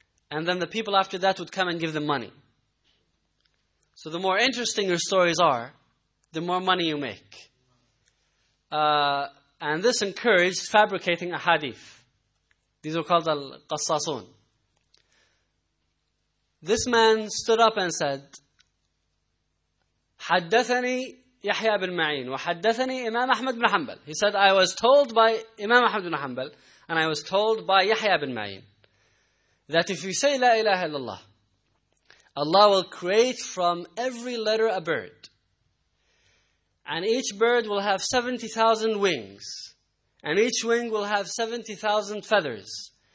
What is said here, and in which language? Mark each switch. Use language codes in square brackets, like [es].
[en] And then the people after that would come and give them money. So the more interesting your stories are, the more money you make. And this encouraged fabricating a hadith. These were called al-qassasun. [ar] This man stood up and said, حدثني يحيى بن معين وحدثني إمام أحمد بن حنبل. [en] He said, I was told by Imam Ahmad bin Hanbal and I was told by Yahya bin Ma'in that if you say La ilaha illallah, Allah will create from every letter a bird. And each bird will have 70,000 wings. And each wing will have 70,000 feathers.